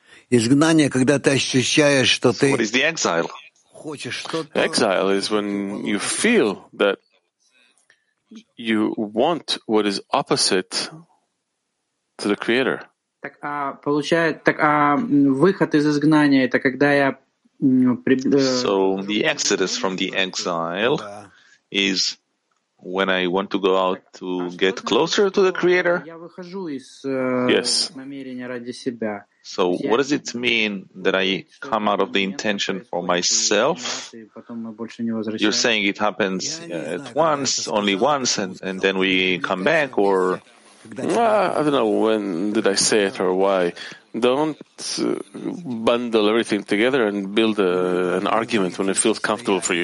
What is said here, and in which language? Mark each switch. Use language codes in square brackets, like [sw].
[ru] Изгнание, когда ты ощущаешь, что ты... [en] What is the exile? Exile is when you feel that you want what is opposite to the Creator. [ru] Так, а получает, так, а выход из изгнания — это когда я [en] So the exodus from the exile is when I want to go out to get closer to the Creator. [ru] Я выхожу из намерения ради себя. [en] So what does it mean that I come out of the intention for myself? You're saying it happens at once, only once, and then we come back, or... I don't know when did I say it or why. Don't bundle everything together and build an argument when it feels comfortable for you.